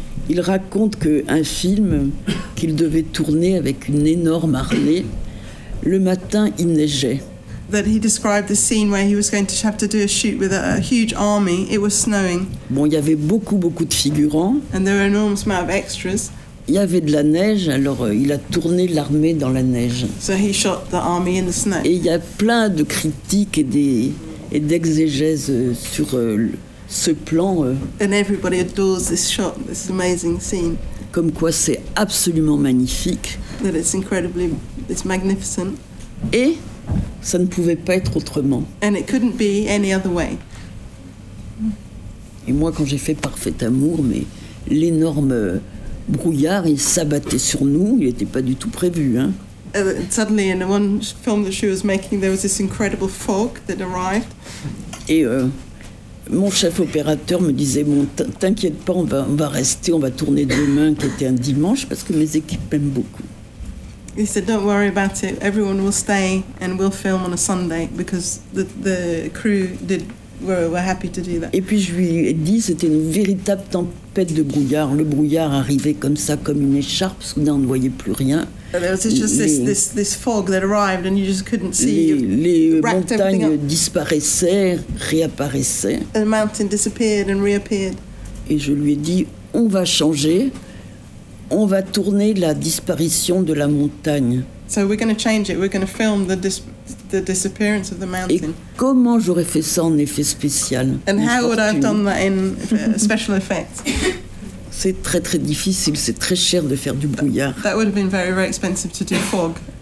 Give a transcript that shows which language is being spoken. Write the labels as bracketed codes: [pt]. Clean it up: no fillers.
[fr] Il raconte qu'un film qu'il devait tourner avec une énorme armée, le matin, il neigeait. [en] That he described the scene where he was going to have to do a shoot with a huge army. It was snowing. [fr] Bon, il y avait beaucoup, beaucoup de figurants. [en] And there were an enormous amount of extras. [fr] Il y avait de la neige, alors il a tourné l'armée dans la neige. [en] So he shot the army in the snow. [fr] Et il y a plein de critiques et d'exégèses sur... ce plan. [en] And everybody adores this shot, this amazing scene. [fr] Comme quoi c'est absolument magnifique. [en] That it's incredibly, it's magnificent. [fr] Et ça ne pouvait pas être autrement. [en] And it couldn't be any other way. [fr] Et moi, quand j'ai fait Parfait Amour, mais l'énorme brouillard, il s'abattait sur nous, il n'était pas du tout prévu, hein. [en] Suddenly, in one film that she was making, there was this incredible fog that arrived. [fr] Et mon chef opérateur me disait, bon, t'inquiète pas, on va rester, on va tourner demain, qui était un dimanche, parce que mes équipes m'aiment beaucoup. [en] He said, don't worry about it, everyone will stay and we'll film on a Sunday, because the crew were happy to do that. [fr] Et puis je lui ai dit, c'était une véritable tempête de brouillard. Le brouillard arrivait comme ça, comme une écharpe, soudain on ne voyait plus rien. [en] This fog that arrived and you just couldn't see. [fr] Les montagnes disparaissaient, réapparaissaient. [en] The mountain disappeared and reappeared. [fr] Et je lui ai dit, on va changer, on va tourner la disparition de la montagne. [en] So we're going to change it. We're going to film the disappearance of the mountain. [fr] Et comment j'aurais fait ça en effet spécial? [en] And how would I have done that in special effects? [fr] C'est très très difficile, c'est très cher de faire du brouillard. [en] That would have been very, very expensive to do fog.